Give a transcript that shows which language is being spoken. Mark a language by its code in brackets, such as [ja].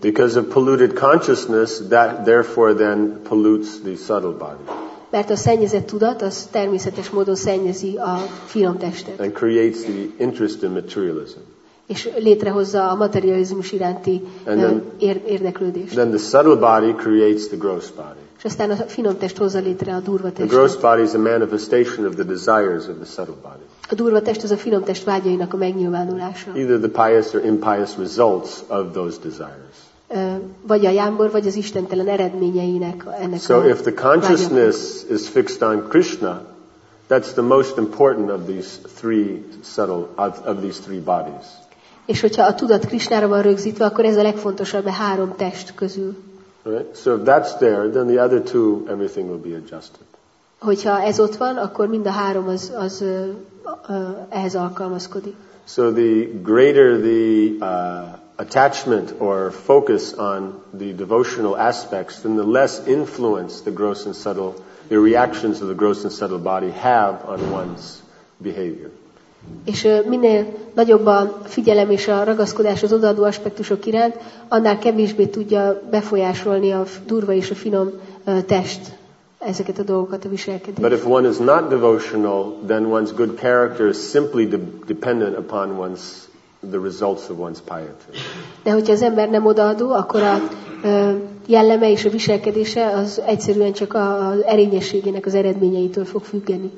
[en] Because of polluted consciousness, that therefore then pollutes the subtle body. [hu] Mert a szennyezett tudat, az természetes módon szennyezi a finom testet. [en] And creates the interest in materialism. [hu] És létrehozza a materializmus iránti érdeklődést. [en] Then the subtle body creates the gross body. [hu] És aztán a finom test hozza létre a durva testet. [en] The gross body is a manifestation of the desires of the subtle body. [hu] A durva test az a finom test vágyainak a megnyilvánulása. [en] Either the pious or impious results of those desires. [hu] Vagy a jámbor, vagy az istentelen eredményeinek ennek. [en] So if the consciousness is fixed on Krishna, that's the most important of these three subtle of these three bodies. [hu] És hogyha a tudat Krisnára van rögzítve, akkor ez a legfontosabb a három test közül. [en] Right. So if that's there, then the other two, everything will be adjusted. [hu] Hogyha ez ott van, akkor mind a három az ehhez alkalmazkodik. [en] So the greater the attachment or focus on the devotional aspects, then the less influence the gross and subtle, the reactions of the gross and subtle body have on one's behavior. [hu] És minél nagyobb a figyelem és a ragaszkodás az odaadó aspektusok iránt, annál kevésbé tudja befolyásolni a durva és a finom test ezeket a dolgokat, a viselkedést. [en] But if one is not devotional, then one's good character is simply dependent upon one's the results of one's piety. [hu] De hogyha az ember nem odaadó, akkor a jelleme és a viselkedése az egyszerűen csak az erényességének az eredményeitől fog függeni.